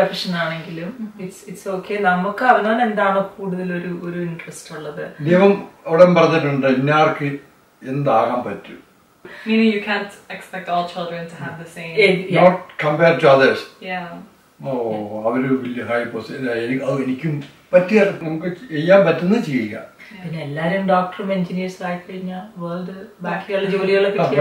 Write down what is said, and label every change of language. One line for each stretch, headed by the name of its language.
Malayalam: നമുക്ക് അവനോൻ എന്താണ് കൂടുതൽ ഒരു ഒരു ഇൻട്രസ്റ്റ് ഉള്ളത്. ദൈവം ഉടനെ പറഞ്ഞിട്ടുണ്ട് ഇന്നാർക്ക് എന്താകാൻ പറ്റും.
English: Meaning you can't expect all children to have the same, not compared to others. Yeah.
Malayalam: ഓ അവര് വലിയ ഹൈ പൊസിഷൻ, എനിക്കും പറ്റിയാൽ നമുക്ക് ചെയ്യാൻ പറ്റുന്ന ചെയ്യുക. പിന്നെ എല്ലാരും ഡോക്ടറും എഞ്ചിനീയേഴ്സ് ആയി കഴിഞ്ഞാൽ വേൾഡ് ബാക്കിയുള്ള ജോലികളൊക്കെ,